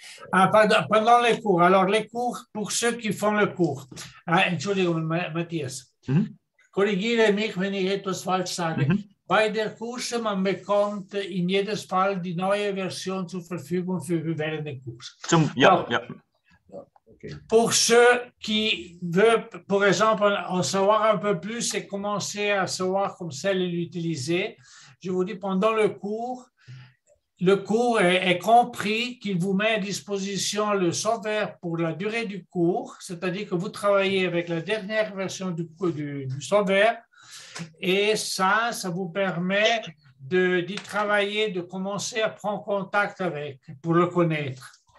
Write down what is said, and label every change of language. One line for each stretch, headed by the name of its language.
French: Pendant les cours, alors les cours, pour ceux qui font le cours.
German: Ah, entschuldigung, Matthias. Korrigiere mich, wenn ich etwas falsch sage. Bei der Kurse, man bekommt in jedem Fall die neue Version zur Verfügung für während des Kurs. Okay.
French: Pour ceux qui veulent, par exemple, en savoir un peu plus et commencer à savoir comment l'utiliser, je vous dis, pendant le cours, le cours est compris, qu'il vous met à disposition le software pour la durée du cours, c'est-à-dire que vous travaillez avec la dernière version du software, et ça vous permet d'y travailler, de commencer à prendre contact avec, pour le connaître.